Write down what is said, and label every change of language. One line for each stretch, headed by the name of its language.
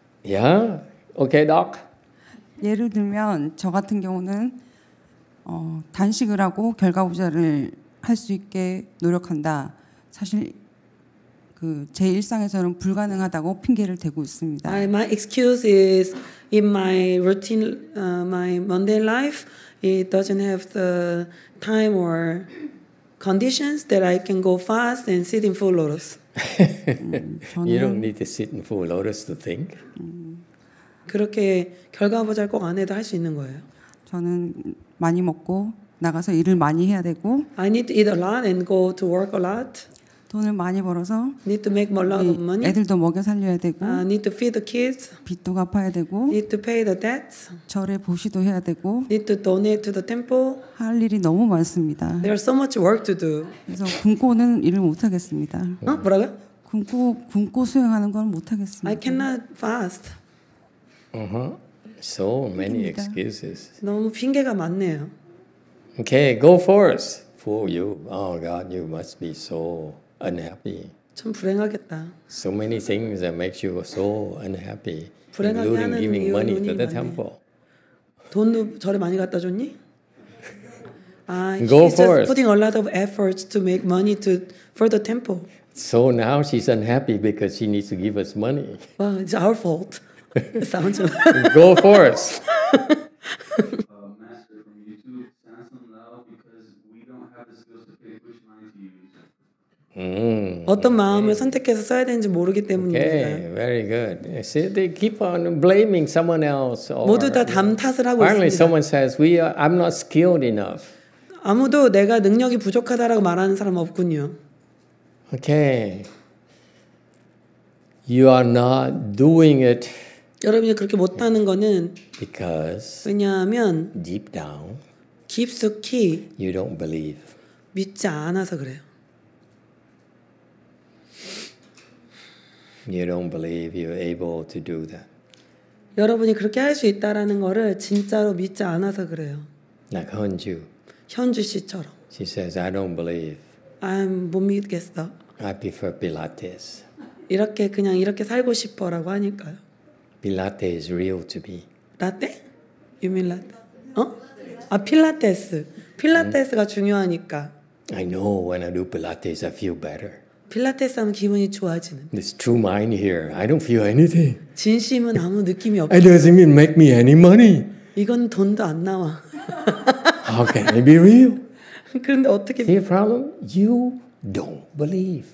Korean: 야, yeah. 오케이, okay, doc. 예를 들면 저 같은 경우는 단식을 하고 결과 보좌를 할 수 있게 노력한다. 사실 그 제 일상에서는 불가능하다고 핑계를 대고 있습니다.
English: My excuse is in my routine, my mundane life, it doesn't have the time or conditions that I can go fast and sit in full lotus. You don't need to sit in full lotus to think.
Korean: 그렇게 결과 보자를 꼭 안 해도 할 수 있는 거예요. 저는 많이 먹고 나가서 일을 많이 해야 되고.
English: I need to eat a lot and go to work a lot.
Korean: 돈을 많이 벌어서.
English: Need to make more lot of money.
Korean: 애들도 먹여 살려야 되고.
English: Need to feed the kids.
Korean: 빚도 갚아야 되고.
English: Need to pay the debts.
Korean: 절에 보시도 해야 되고.
English: Need to donate to the temple.
Korean: 할 일이 너무 많습니다.
English: There are so much work to do.
Korean: 그래서 굶고는 일을 못 하겠습니다. 뭐라고? 굶고 수행하는 건 못 하겠습니다.
English: I cannot fast. So many excuses.
Korean: 너무 핑계가 많네요.
English: Okay, go for us. For you. Oh God, you must be so unhappy.
Korean: 참 불행하겠다.
English: So many things that makes you so unhappy. Including giving money to the temple.
Korean: 돈도 절에 많이 갖다 줬니?
English: She's just putting a lot of efforts to make money to for the temple. So now she's unhappy because she needs to give us money. Well, it's our fault. It sounds like. Go forth.
Korean: Mm. 어떤 마음을 mm. 선택해서 써야 되는지 모르기 때문입니다.
English: Okay, very good. See, they keep on blaming someone else. Or,
Korean: 모두 다 담 탓을 하고
English: finally
Korean: 있습니다.
English: Finally, someone says, "I'm not skilled enough."
Korean: 아무도 내가 능력이 부족하다라고 말하는 사람 없군요.
English: Okay. You are not doing it.
Korean: 여러분이 그렇게 못하는 거는
English: because
Korean: 왜냐하면
English: deep down
Korean: 깊숙이
English: you don't believe
Korean: 믿지 않아서 그래요.
English: You don't believe you're able to do that.
Korean: 여러분이 그렇게 할 수 있다라는 거를 진짜로 믿지 않아서 그래요.
English: Like 현주.
Korean: 현주 씨처럼.
English: She says, "I don't believe."
Korean: I'm 못 믿겠어.
English: I prefer Pilates.
Korean: 이렇게 그냥 이렇게 살고 싶어라고 하니까요.
English: Pilates is real to me.
Korean: 라떼? You mean 라떼? 어? 아 필라테스. 필라테스가 중요하니까.
English: I know when I do Pilates, I feel better.
Korean: 필라테스 하면 기분이 좋아지는.
English: This true mind here. I don't feel anything.
Korean: 진심은 아무 느낌이 없어.
English: It doesn't mean make me any money.
Korean: 이건 돈도 안 나와.
English: How can it be real?
Korean: 그런데 어떻게?
English: See problem? You don't believe.